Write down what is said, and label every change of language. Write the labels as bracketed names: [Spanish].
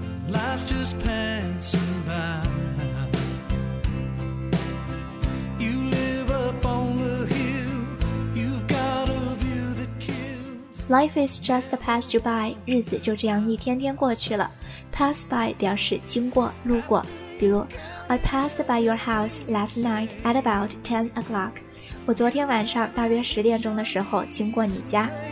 [English] Life just passing by. You live up on the hill. You've got a view that kills. Life is just passed you by. [Chinese] 日子就这样一天天过去了。 Pass by 表示经过、路过。比如 [English] ，I passed by your house last night at about 10 o'clock. [Chinese] 我昨天晚上大约10点钟的时候经过你家。